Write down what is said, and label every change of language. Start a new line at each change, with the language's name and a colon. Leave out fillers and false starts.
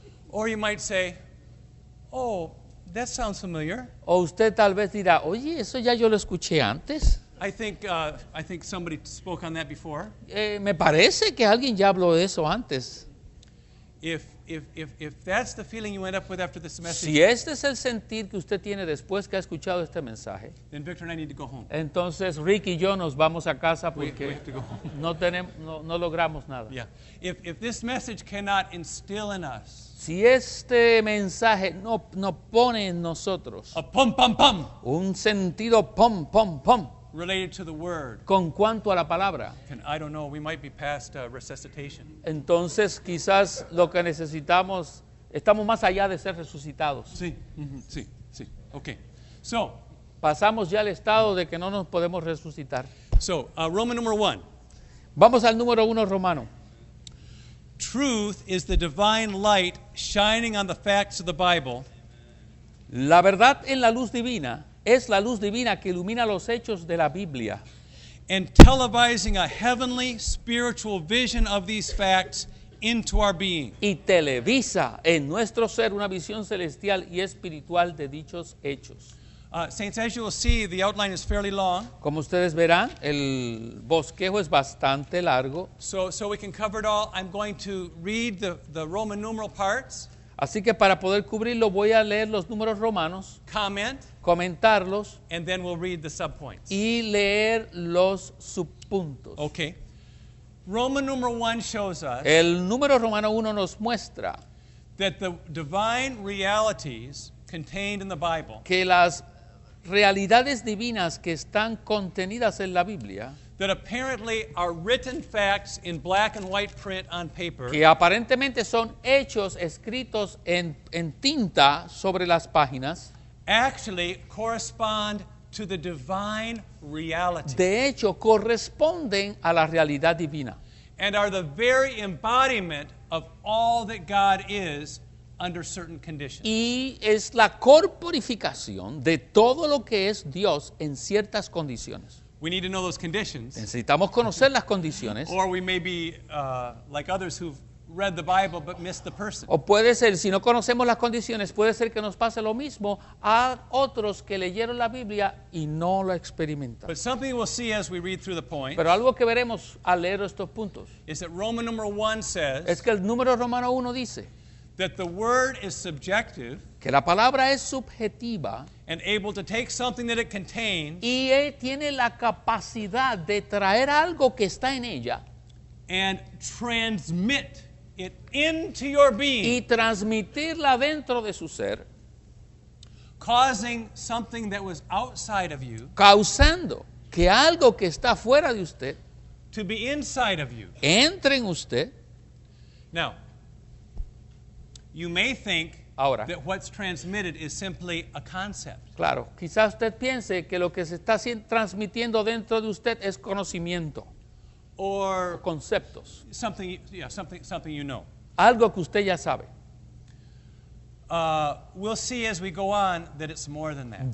English: Or you might say, oh, that sounds familiar.
Spanish: O usted tal vez dirá, oye, eso ya yo lo escuché antes.
English: I think somebody spoke on that before.
Spanish: Me parece que alguien ya habló de eso antes.
English: If that's the feeling you end up with after this message,
Spanish: si este es el sentir que usted tiene después que ha escuchado este mensaje,
English: then Victor and I need to go home.
Spanish: Entonces Rick y yo nos vamos a casa porque
English: we have to go home.
Spanish: No logramos nada.
English: Yeah. If this message cannot instill in us,
Spanish: si este mensaje no pone en nosotros
English: a pom pom pom,
Spanish: un sentido pom pom pom
English: related to the word,
Spanish: con cuanto a la palabra,
English: and I don't know, we might be past resuscitation.
Spanish: Entonces quizás lo que necesitamos, estamos más allá de ser resucitados. Sí, sí, sí.
English: Okay. So,
Spanish: pasamos ya al estado de que no nos podemos resucitar.
English: So, Roman number one.
Spanish: Vamos al número uno romano.
English: Truth is the divine light shining on the facts of the Bible.
Spanish: La verdad en la luz divina es la luz divina que ilumina los hechos de la Biblia.
English: And televising a heavenly spiritual vision of these facts into our being.
Spanish: Y televisa en nuestro ser una visión celestial y espiritual de dichos hechos.
English: Saints, as you will see, the outline is fairly long.
Spanish: Como ustedes verán, el bosquejo es bastante largo.
English: So we can cover it all. I'm going to read the Roman numeral parts.
Spanish: Así que para poder cubrirlo, voy a leer los números romanos, comentarlos,
English: and then we'll read the subpoints.
Spanish: Y leer los subpuntos.
English: Okay. Roman number one shows us,
Spanish: el número romano uno nos muestra,
English: that the divine realities contained in the Bible,
Spanish: que las realidades divinas que están contenidas en la Biblia,
English: that apparently are written facts in black and white print on paper,
Spanish: que aparentemente son hechos escritos en tinta sobre las páginas,
English: actually correspond to the divine reality.
Spanish: De hecho, corresponden a la realidad divina.
English: And are the very embodiment of all that God is under certain conditions.
Spanish: Y es la corporificación de todo lo que es Dios en ciertas condiciones.
English: We need to know those conditions.
Spanish: Necesitamos conocer las condiciones.
English: Or we may be like others who've read the Bible but missed the person.
Spanish: O puede ser, si no conocemos las condiciones, puede ser que nos pase lo mismo a otros que leyeron la Biblia y no lo experimentan.
English: But something we'll see as we read through the points.
Spanish: Pero algo que veremos al leer estos puntos.
English: Is that Roman number one says.
Spanish: Es que el número romano uno dice.
English: That the word is subjective.
Spanish: Que la palabra es subjetiva.
English: And able to take something that it contains.
Spanish: Y tiene la capacidad de traer algo que está en ella.
English: And transmit it into your being.
Spanish: Y transmitirla dentro de su ser.
English: causing something that was outside of you,
Spanish: causando que algo que está fuera de usted,
English: to be inside of you,
Spanish: entre en usted.
English: Now, you may think
Spanish: ahora,
English: that what's transmitted is simply a concept.
Spanish: Claro, quizás usted piense que lo que se está transmitiendo dentro de usted es conocimiento.
English: Or
Spanish: conceptos.
English: Something, yeah, something you know.
Spanish: Algo que usted ya sabe.
English: We'll see as we go on that it's more than that.